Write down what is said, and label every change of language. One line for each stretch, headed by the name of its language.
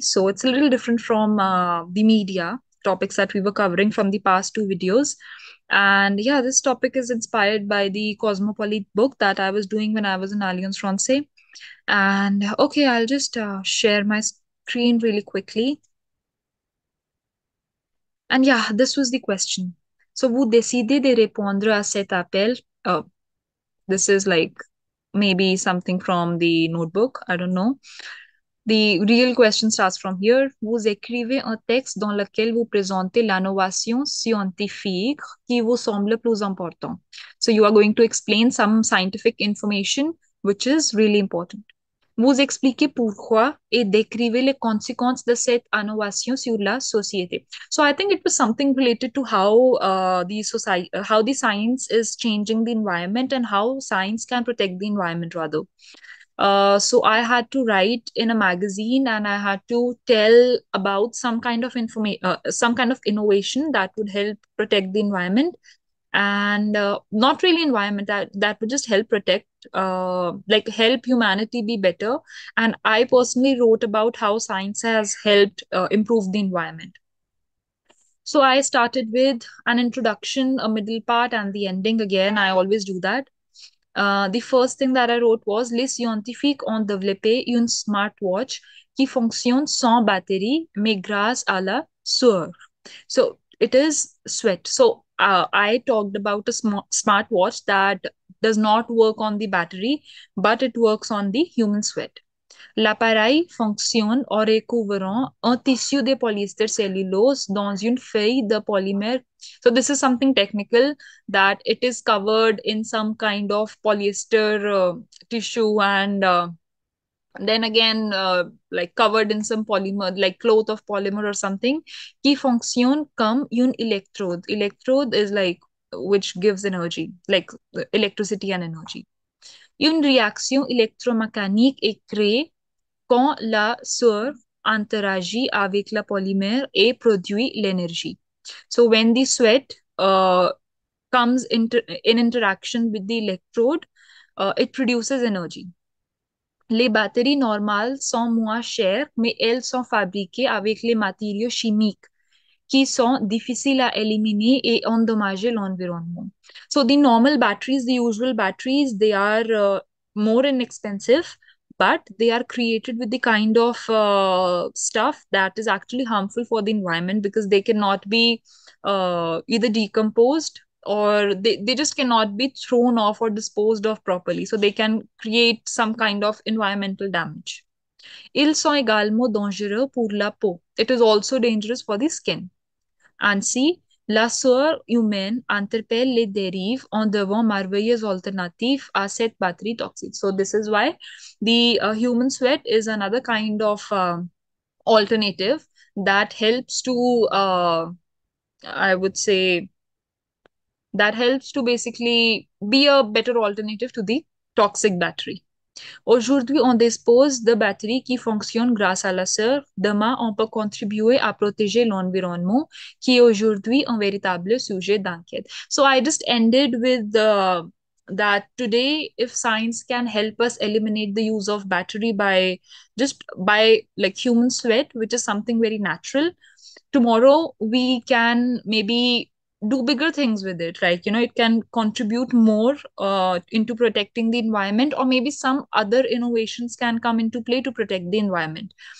English: So it's a little different from the media topics that we were covering from the past two videos. And yeah, this topic is inspired by the Cosmopolite book that I was doing when I was in Alliance Francaise. And okay, I'll just share my screen really quickly. And yeah, this was the question.
French: So, vous décidez de répondre à cet appel?
English: Oh, this is like maybe something from the notebook. I don't know. The real question starts from here.
French: Vous écrivez un texte dans lequel vous présentez l'innovation scientifique qui vous semble plus important.
English: So, you are going to explain some scientific information, which is really important.
French: Vous expliquez pourquoi et décrivez les conséquences de cette innovation sur la société.
English: So I think it was something related to how the society, how the science is changing the environment and how science can protect the environment rather. So I had to write in a magazine and I had to tell about some kind of some kind of innovation that would help protect the environment. And not really environment that would just help protect like help humanity be better. And I personally wrote about how science has helped improve the environment. So I started with an introduction, a middle part, and the ending again. I always do that. The first thing that I wrote was
French: Les scientifiques ont développé une smartwatch qui fonctionne sans batterie, mais grâce à la sueur.
English: So it is sweat. So I talked about a smart watch that does not work on the battery, but it works on the human sweat.
French: L'appareil fonctionne en recouvrant un tissu de polyester cellulose dans une feuille de polymère.
English: So this is something technical that it is covered in some kind of polyester tissue and then again like covered in some polymer like cloth of polymer or something
French: qui fonctionne comme une électrode.
English: Electrode is like which gives energy like electricity and energy.
French: Une réaction électromécanique est créée quand la sueur interagit avec la polymère et produit l'énergie.
English: So when the sweat comes in interaction with the electrode, it produces energy.
French: Les batteries normales sont moins chères, mais elles sont fabriquées avec les matériaux chimiques qui sont difficiles à éliminer et endommager l'environnement.
English: So the normal batteries, the usual batteries, they are more inexpensive, but they are created with the kind of stuff that is actually harmful for the environment because they cannot be either decomposed or they just cannot be thrown off or disposed of properly. So they can create some kind of environmental damage.
French: Ils sont également dangereux pour la peau.
English: It is also dangerous for the skin.
French: Ainsi, la sueur humaine interpelle les dérives en devant merveilleuse alternative à cette batterie toxique.
English: So this is why the human sweat is another kind of alternative that helps to, I would say, that helps to basically be a better alternative to the toxic battery.
French: Aujourd'hui, on dispose de batteries qui fonctionnent grâce à la sueur. Demain, on peut contribuer à protéger l'environnement, qui est aujourd'hui un véritable sujet d'enquête.
English: So I just ended with the that today, if science can help us eliminate the use of battery by just by like human sweat, which is something very natural, tomorrow we can maybe do bigger things with it, like, you know, it can contribute more into protecting the environment, or maybe some other innovations can come into play to protect the environment.